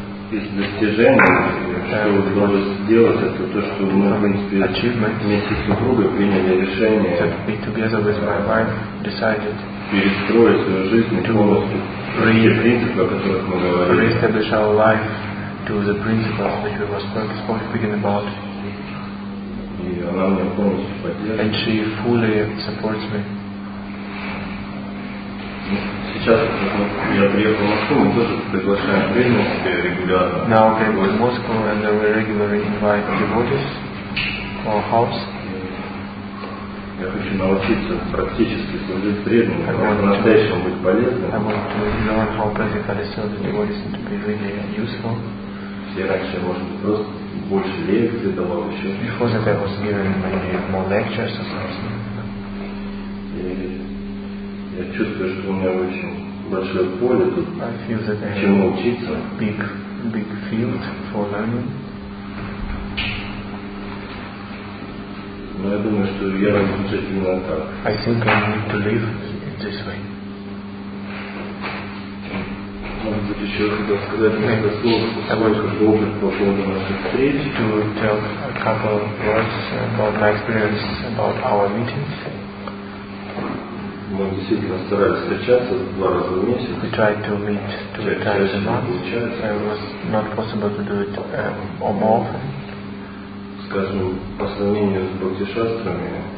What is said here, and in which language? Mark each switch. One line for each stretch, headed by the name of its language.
Russian: Из достижений, что удалось сделать, это то, что мы, в принципе, вместе с супругой приняли решение перестроить свою жизнь полностью те принципы, о которых мы говорили.
English: Re-establish our life to the principles which we were speaking about.
Russian: И она меня полностью поддерживает.
English: And she fully supports me.
Russian: Сейчас я приехал в Москву, мы тоже приглашаем преданных регулярно.
English: Now I'm in Moscow and we regularly invite devotees to our house.
Russian: Я хочу научиться практически служить преданным, по-настоящему быть полезным.
English: I want to learn how practically serve the devotees and to be really useful.
Russian: Все раньше, может быть, просто больше лекций давал еще.
English: Before that I was given maybe more lectures or something.
Russian: Я чувствую, что у меня очень большое поле тут, чему учиться.
English: Big field for learning.
Russian: Но я думаю, что я буду жить именно так.
English: I think I need to live this way.
Russian: Может быть, еще когда сказать много слов, сколько опыт по поводу наших встреч.
English: To tell a couple of words about my experience about our meetings.
Russian: Мы действительно старались встречаться два раза в месяц.
English: We tried to meet two times a month. It was not possible to do it more often.
Russian: Скажем, по сравнению с бхакти-шастрами,